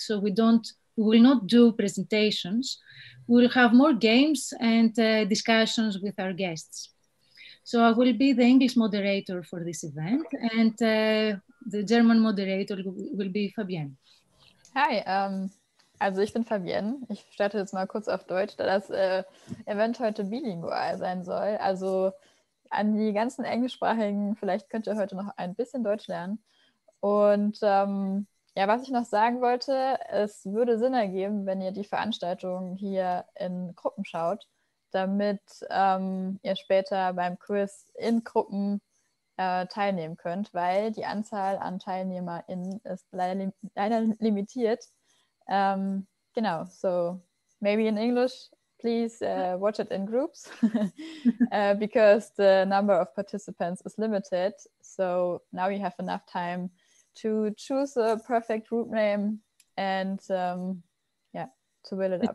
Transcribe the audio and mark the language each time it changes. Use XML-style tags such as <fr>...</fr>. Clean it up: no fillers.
<en>So we will not do presentations. We'll have more games and discussions with our guests. So I will be the English moderator for this event, and the German moderator will be Fabienne.</en> <de>Hi, also ich bin Fabienne. Ich starte jetzt mal kurz auf Deutsch, da das Event heute bilingual sein soll. Also an die ganzen Englischsprachigen, vielleicht könnt ihr heute noch ein bisschen Deutsch lernen. Und ja, was ich noch sagen wollte, es würde Sinn ergeben, wenn ihr die Veranstaltung hier in Gruppen schaut, damit ihr später beim Quiz in Gruppen teilnehmen könnt, weil die Anzahl an TeilnehmerInnen ist leider limitiert. Genau,</de> <en>so maybe in English, please watch it in groups, because the number of participants is limited. So now you have enough time to choose a perfect group name and to build it up.</en>